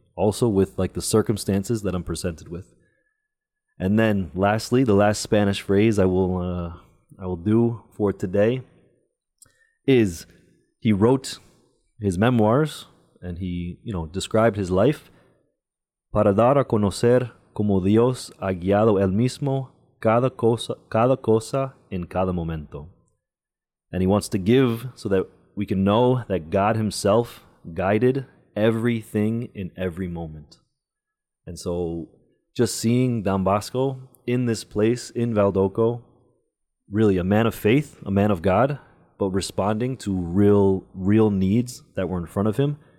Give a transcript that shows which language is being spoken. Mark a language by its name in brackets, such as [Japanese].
[English] Also with like the circumstances that I'm presented with. And then lastly, the last Spanish phrase I will do for today is, he wrote his memoirs and he, you know, described his life. [Spanish] Para dar a conocer como Dios ha guiado el mismo cada cosa en cada momento. [English] And he wants to give so that we can know that God himself guided everything in every moment. And so just seeing Don Bosco in this place in Valdocco, really a man of faith, a man of God, but responding to real needs that were in front of him.